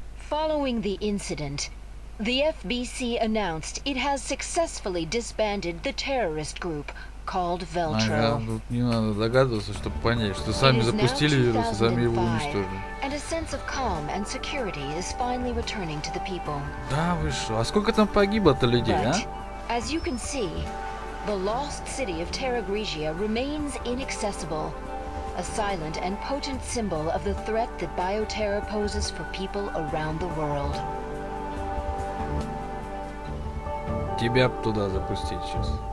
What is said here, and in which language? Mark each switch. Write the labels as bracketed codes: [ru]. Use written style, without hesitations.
[en] Following the incident, The FBC announced it has successfully disbanded the terrorist group called Veltro. [ru] Тут не надо догадываться, чтобы понять, что сами запустили вирус, сами его уничтожили. [en] And a sense of calm and security is finally returning to the people. [ru] Да вы что? А сколько там погибло-то людей, а? [en] As you can see, the lost city of Terra Grigia remains inaccessible, a silent and potent symbol of the threat that Bioterra poses for people around the world. [ru] Тебя туда запустить сейчас.